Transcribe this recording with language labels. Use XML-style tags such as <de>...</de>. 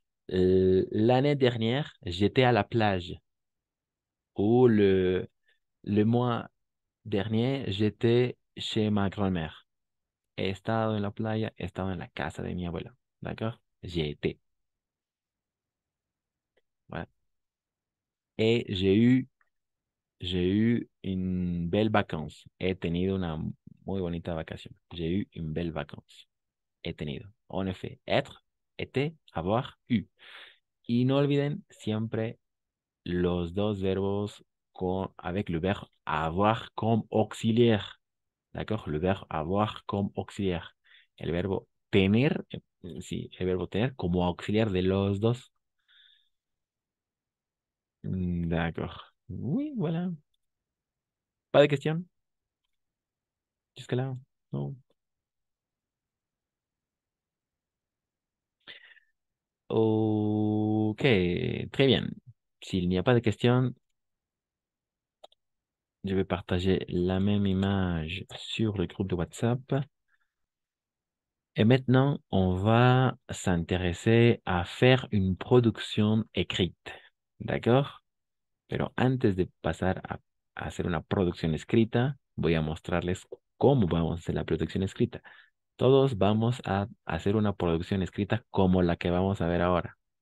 <fr>L'année dernière, j'étais à la plage. Ou le mois dernier, j'étais chez ma grand-mère.</fr> <es>He estado en la playa, he estado en la casa de mi abuela.</es> <fr>¿D'accord? J'ai été. Et j'ai eu une belle vacances.</fr> <es>He tenido una muy bonita vacación.</es> <fr>J'ai eu une belle vacances.</fr> <es>He tenido.</es> <fr>En effet, être.</fr> <es>Été, avoir, eu. Y no olviden siempre los dos verbos</es> <fr>avec le</fr> <es>verbo avoir</es> <fr>comme auxiliaire. ¿D'accord? Le verbo avoir comme auxiliaire.</fr> <es>El verbo tener, sí, el verbo tener como auxiliar de los dos.</es> <fr>D'accord. Oui, voilà. ¿Pas de cuestión? Jusque là, no. Ok, très bien. S'il n'y a pas de questions, je vais partager la même image sur le groupe de WhatsApp. Et maintenant, on va s'intéresser à faire une production écrite. D'accord?</fr> <es>Pero antes de pasar a hacer una producción escrita, voy a mostrarles cómo vamos a hacer la producción escrita. Todos vamos a hacer una producción escrita como la que vamos a ver ahora.</es>